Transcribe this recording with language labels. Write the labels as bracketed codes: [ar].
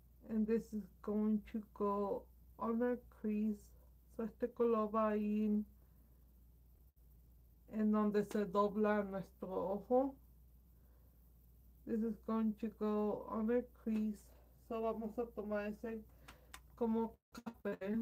[en] And this is going to go on our crease. [es] So este color va ahí en donde se dobla nuestro ojo. [en] This is going to go on our crease. [es] So vamos a tomar ese como café.